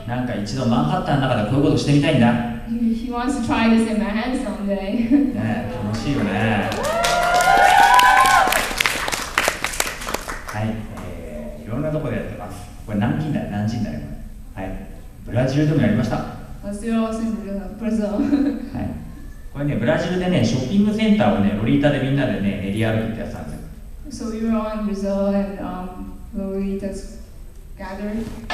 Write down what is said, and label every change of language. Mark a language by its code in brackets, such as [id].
[ja] なんか一度マンハッタンの中でこういうことしてみたいんだ。 [en] He wants to try this in Manhattan someday. [ja] ね、楽しいよね。はい、いろんなとこでやってます。これ南京だよ、南京だよ。はい、ブラジルでもやりました。 [en] Let's do it also in Brazil. [ja] はい。これね、ブラジルでね、ショッピングセンターをね、ロリータでみんなでね、練り歩いてやったんですよ。 [en] So you were on Brazil and Lolita's gathering?